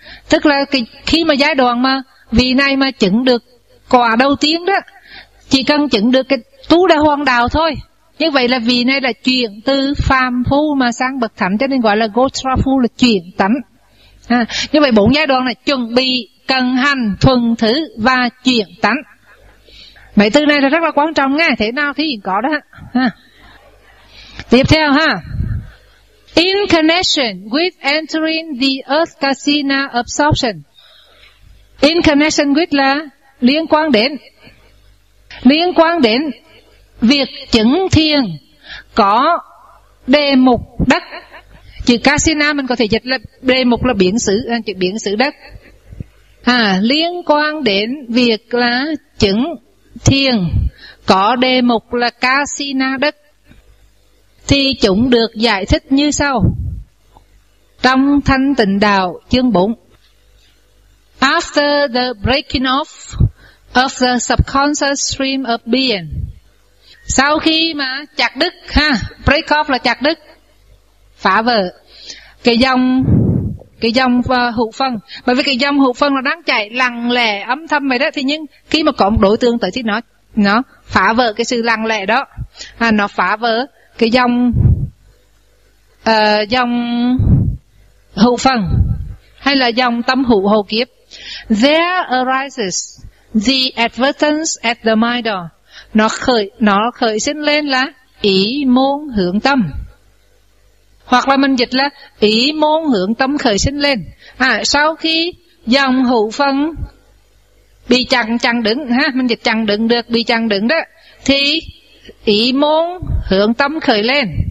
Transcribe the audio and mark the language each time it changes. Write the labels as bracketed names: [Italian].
[Vietnamese] Tức là cái, khi mà giai đoạn mà vị này mà chứng được quả đầu tiên đó, chỉ cần chứng được cái tu đà hoàng đạo thôi, như vậy là vì này là chuyển từ phàm phu mà sang bậc thánh, cho nên gọi là gotra phu, là chuyển tánh. Như vậy bốn giai đoạn là chuẩn bị, cần hành, thuần thứ và chuyển tánh. Mấy từ này là rất là quan trọng nghe, thế nào thì có đó. Tiếp theo [English] in connection with entering the earth kasina absorption. In connection with [Vietnamese] là liên quan đến, liên quan đến việc chứng thiền có đề mục đất. Chữ kasina mình có thể dịch là đề mục là biển xứ, chữ biển xứ đất. Liên quan đến việc là chứng thiền có đề mục là kasina đất, thì chúng được giải thích như sau trong Thanh Tịnh Đạo chương 4. [English] After the breaking off of the subconscious stream of being, [Vietnamese] sau khi mà chặt đứt, [English] break off [Vietnamese] là chặt đứt, phá vỡ cái dòng hữu phân, bởi vì cái dòng hữu phân là đang chạy lặng lẽ âm thầm vậy đó, thì nhưng khi mà có một đối tượng tới thì nó phá vỡ cái sự lặng lẽ đó, nó phá vỡ cái dòng dòng hữu phân hay là dòng tâm hữu hồ kiếp. [English] There arises the advertence at the mind door. [Vietnamese] Nó khởi sinh lên là ý môn hướng tâm. Hoặc là mình dịch là ý môn hướng tâm khởi sinh lên. Sau khi dòng hữu phân bị chặn đứng, mình dịch chặn đứng được, bị chặn đứng đó, thì ý môn hướng tâm khởi lên.